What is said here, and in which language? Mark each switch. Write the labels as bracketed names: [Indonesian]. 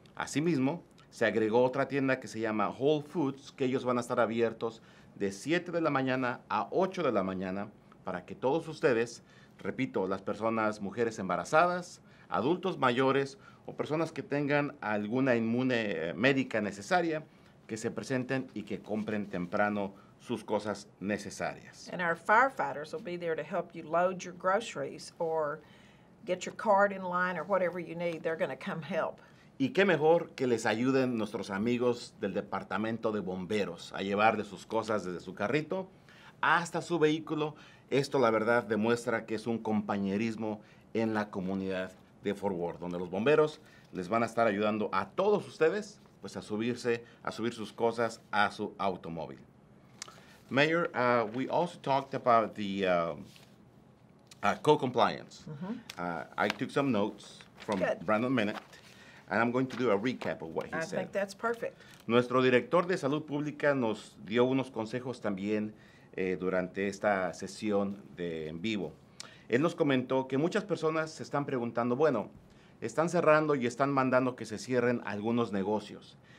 [Spanish] Asimismo, se agregó otra tienda que se llama Whole Foods, que ellos van a estar abiertos de 7 de la mañana a 8 de la mañana para que todos ustedes, repito, las personas, mujeres embarazadas, adultos mayores o personas que tengan alguna inmune médica necesaria, que se presenten y que compren temprano sus cosas necesarias. [English] And our firefighters will be there to help you load your groceries or get your card in line or whatever you need. They're going to come help. [Spanish] Y qué mejor que les ayuden nuestros amigos del departamento de bomberos a llevar de sus cosas desde su carrito hasta su vehículo. Esto la verdad demuestra que es un compañerismo en la comunidad de Fort Worth, donde los bomberos les van a estar ayudando a todos ustedes, pues, a subir sus cosas a su automóvil. [English] Mayor, we also talked about the co-compliance. Mm-hmm. I took some notes from Brandon Minnett, and I'm going to do a recap of what he said. I think that's perfect. [Spanish] Nuestro director de salud pública nos dio unos consejos también durante esta sesión de en vivo. Él nos comentó que muchas personas se están preguntando, bueno, están cerrando y están mandando que se cierren algunos negocios.